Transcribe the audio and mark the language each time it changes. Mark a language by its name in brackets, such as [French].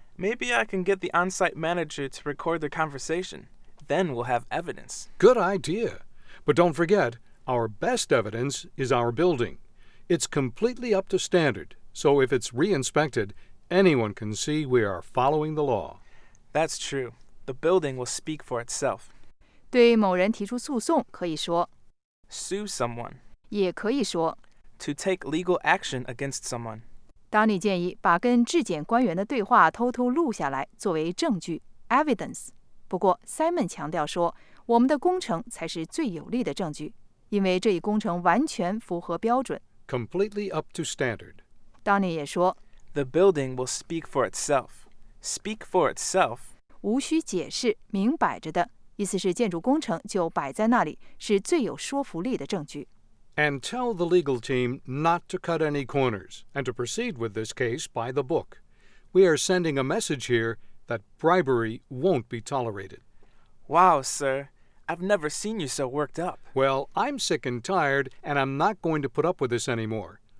[English] Maybe I can get the on-site manager to record the conversation. Then we'll have evidence. Good idea. But don't forget, our best evidence is our building. It's completely up to standard, so if it's re-inspected, anyone can see we are following the law. That's true. The building will speak for itself. [Chinese] 对某人提出诉讼可以说 [English] Sue someone. [Chinese] 也可以说 [English] To take legal action against someone. [Chinese] Donny 建议把跟质检官员的对话偷偷录下来作为证据 evidence. 不过 Simon 强调说我们的工程才是最有力的证据，因为这一工程完全符合标准 [English] Completely up to standard. [Chinese] Donny 也说 [English] The building will speak for itself. Speak for itself. [Chinese] 无需解释，明摆着的意思是建筑工程就摆在那里，是最有说服力的证据。 [English] And tell the legal team not to cut any corners and to proceed with this case by the book. We are sending a message here that bribery won't be tolerated. Wow, sir. I've never seen you so worked up. Well, I'm sick and tired, and I'm not going to put up with this anymore.